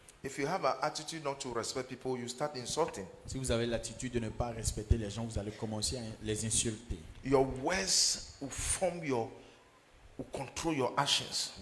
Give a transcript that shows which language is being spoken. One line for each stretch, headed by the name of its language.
English: If you have an attitude not to respect people, you start insulting.
French: Si vous avez l'attitude de ne pas respecter les gens, vous allez commencer à les insulter.
English: Your words will form your, will control your actions.